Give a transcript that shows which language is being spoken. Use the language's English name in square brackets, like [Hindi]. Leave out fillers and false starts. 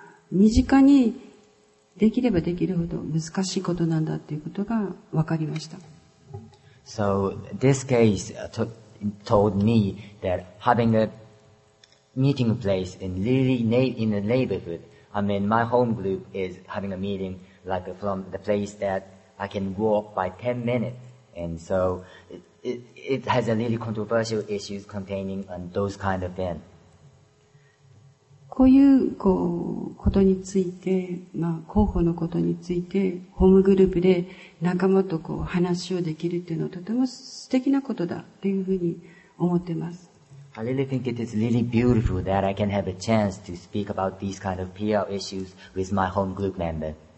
[Japanese] 身近にできればできるほど難しいことなんだということが分かりました。 [English] So, this case told me that having a meeting place in really in a neighborhood, I mean, my home group is having a meeting. Like from the place that I can walk by 10 minutes. And so it has a really controversial issues containing on those kind of things. [Japanese] こういうことについて、候補のことについて、ホームグループで仲間とこう話をできるっていうのはとても素敵なことだというふうに思ってます。 [English] I really think it is really beautiful that I can have a chance to speak about these kind of PR issues with my home group member.